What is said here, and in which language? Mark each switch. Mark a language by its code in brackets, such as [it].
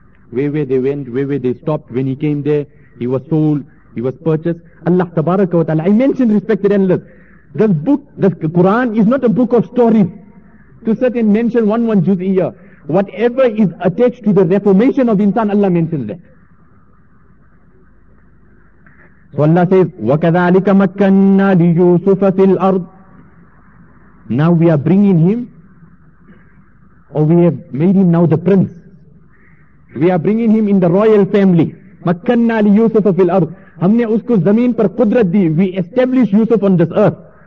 [en] Where they went, where they stopped, when he came there, he was sold, he was purchased. Allah tabaraka wa ta'ala, I mentioned, respected analysts, this book, this Quran is not a book of stories to sit and mention one juz'iyah. Whatever is attached to the reformation of insan, Allah mentions that. So Allah says, [ar] وَكَذَٰلِكَ مَكَّنَّا لِيُوسُفَ فِي الْأَرْضِ. [en] Now we are bringing him, or we have made him now the prince. We are bringing him in the royal family. [ar] مَكَّنَّا لِيُوسُفَ فِي الْأَرْضِ. [ur] Humne usko zameen par qudrat di. [en] We established Yusuf on this earth.